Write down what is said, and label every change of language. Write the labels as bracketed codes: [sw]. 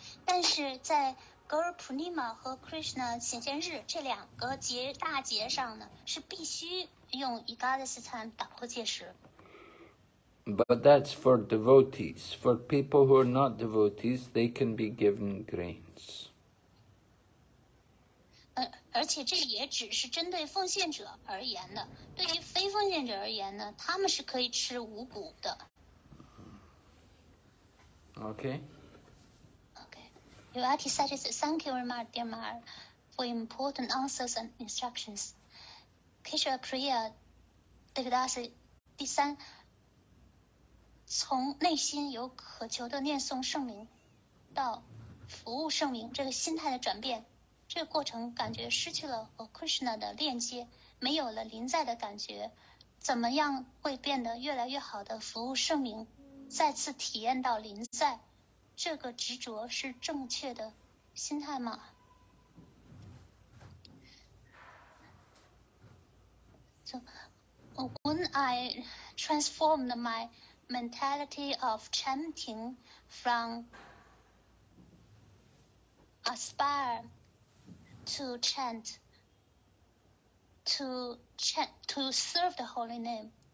[zh] 但是在格尔普尼玛和 Krishna 显现日这两个节大节上呢，是必须用 Egalistan 打破戒石。 [en] But that's for devotees. For people who are not devotees, they can be given grains. [zh] 而且这也只是针对奉献者而言的。对于非奉献者而言呢，他们是可以吃五谷的。 [en] Okay. Okay. Your attitude is thank you very much, dear Mar, for important answers and instructions. [zh] Kesha Priya, Devadasi, 第三。从内心由渴求的念诵圣名到服务圣名，这个心态的转变，这个过程感觉失去了和 Krishna 的链接，没有了临在的感觉，怎么样会变得越来越好的服务圣名，再次体验到临在，这个执着是正确的心态吗？ [en] So, when I transformed my mentality of chanting from aspire to serve the holy name.